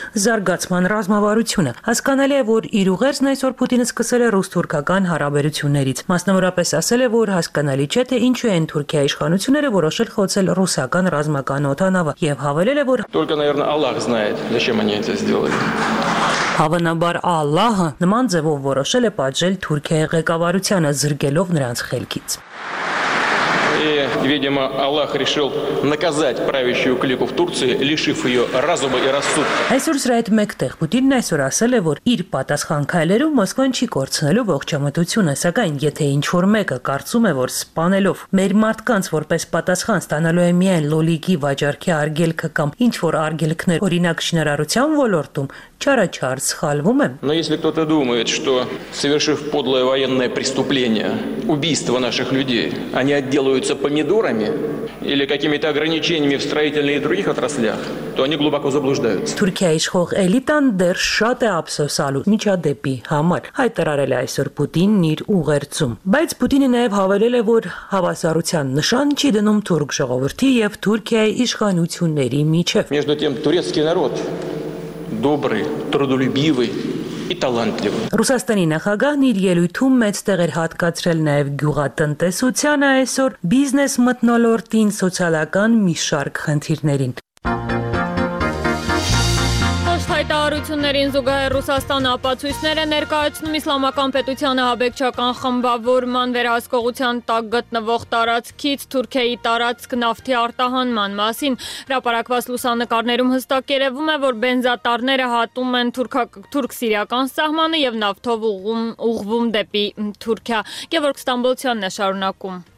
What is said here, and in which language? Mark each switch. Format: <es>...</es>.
<hy>զարգացման ռազմավարությունը։ Հասկանալի է, որ իր ուղերձն այսօր Պուտինը սկսել է ռուս-թուրքական հարաբերություններից։ Մասնավորապես ասել է, որ հասկանալի չէ, թե ինչու են Թուրքիա իշխանությունները որոշել խոցել ռուսական ռազմական օդանավը, և հավելել է, որ հավանաբար Ալլահը նման ձևով որոշել է պատժել Թուրքիայի ղեկավարությանը, զրկելով նրանց խելքից։</hy> <ru>И, видимо, Аллах решил наказать правящую клику в Турции, лишив ее разума и рассудка.</ru> <hy>Այսօր սրայդ մեկտեղ Պուտինն այսօր ասել է, որ իր պատասխանքայլերով Մոսկվան չի կորցնելու ողջամտությունը, սակայն եթե ինչ-որ մեկը կարծում է, որ սպանելով մեր մարդկանց որպես պատասխան ստանալու է միայն լոլիկի վաճառքի արգելքը կամ ինչ-որ արգելքներ, օրինակ շինարարության ոլորտում, չարաչար սխալվում է։</hy> <ru>Но если кто-то думает, что совершив подлое военное преступление, убийство наших людей, они отделаются помидорами или какими-то ограничениями в строительных и других отраслях, то они глубоко заблуждаются.</ru> <hy>Թուրքիայի իշխող էլիտան դեռ շատ է ափսոսալու միջադեպի համար, հայտարարել է այսօր Պուտինն իր ուղերձում։ Բայց Պուտինը նաև հավելել է, որ հավասարության նշան չի դնում թուրք ժողովրդի և Թուրքիայի իշխանությունների միջև։</hy> <ru>Между тем, турецкий народ добрый, трудолюбивый,</ru> <hy>Ռուսաստանի նախագահն իր ելույթում մեծ տեղ էր հատկացրել նաև գյուղատնտեսությանը, այսօր բիզնես մթնոլորտին, սոցիալական մի շարք խնդիրներին։ Հայտարարություններին զուգահեռ Ռուսաստանը ապացույցները ներկայացնում Իսլամական պետությանը հաբեկչական խմբավորման վերահսկողության տակ գտնվող տարածքից Թուրքիայի տարածք նավթի արտահանման մասին։ Հրապարակված լուսանկարներում հստակ երևում է, որ բենզատարները հատում են թուրք-սիրիական սահմանը և նավթով ուղղվում դեպի Թուրքիա։ Գևորգ Ստամբոլցյանն է շարունակում։</hy>